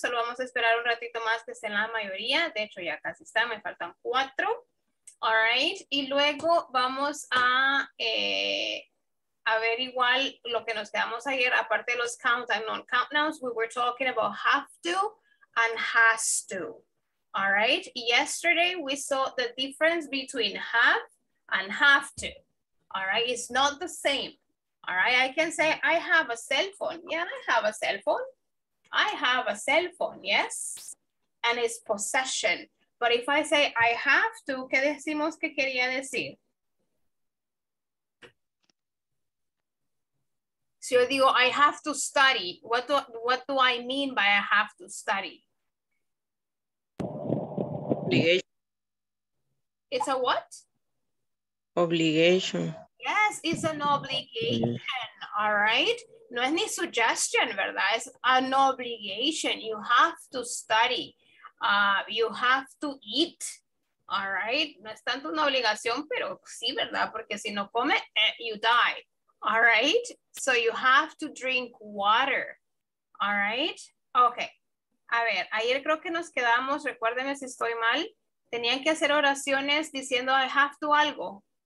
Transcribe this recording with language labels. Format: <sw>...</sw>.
<es>Solo vamos a esperar un ratito más que estén la mayoría. De hecho, ya casi está. Me faltan 4.</es> <en>All right.</en> <es>Y luego vamos a ver igual lo que nos quedamos ayer. Aparte de los</es> <en>count and non-count nouns, we were talking about have to and has to. All right. Yesterday, we saw the difference between have and have to. All right. It's not the same. All right, I can say, I have a cell phone. Yeah, I have a cell phone. I have a cell phone, yes? And it's possession. But if I say, I have to,</en> <es>¿qué decimos que quería decir? Si yo digo,</es> <en>I have to study, what do I mean by I have to study? Obligation. It's a what? Obligation. Yes, it's an obligation, all right?</en> <es>No es ni</es> <en>suggestion,</en> <es>¿verdad?</es> <en>It's an obligation. You have to study. You have to eat, all right?</en> <es>No es tanto una obligación, pero sí, ¿verdad? Porque si no come,</es> <en>you die, all right? So you have to drink water, all right? Okay.</en> <es>A ver, ayer creo que nos quedamos, recuérdenme si estoy mal, tenían que hacer oraciones diciendo I have to algo.</es>